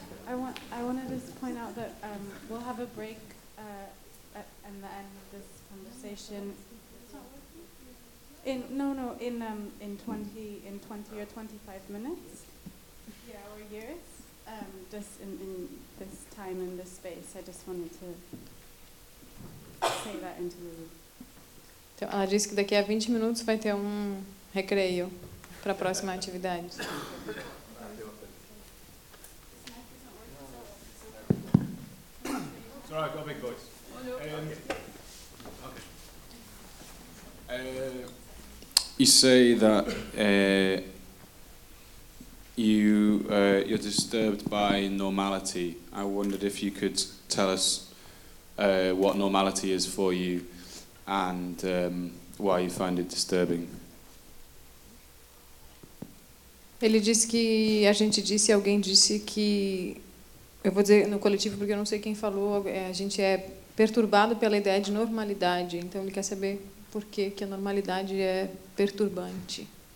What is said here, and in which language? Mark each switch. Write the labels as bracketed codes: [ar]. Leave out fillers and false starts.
[en] I wanted to point out that we'll have a break at the end of this conversation. In 20 or 25 minutes, yeah, or years, just in this time and this space, I just wanted to take that into the room. [pt] Então, ela disse que daqui a 20 minutos vai ter um recreio para a próxima atividade. [en] Sorry, You say that you're disturbed by normality. I wondered if you could tell us what normality is for you and why you find it disturbing. [pt] Ele disse que a gente disse, alguém disse que, eu vou dizer no coletivo porque eu não sei quem falou, a gente é perturbado pela ideia de normalidade, então ele quer saber por que que a normalidade é perturbante.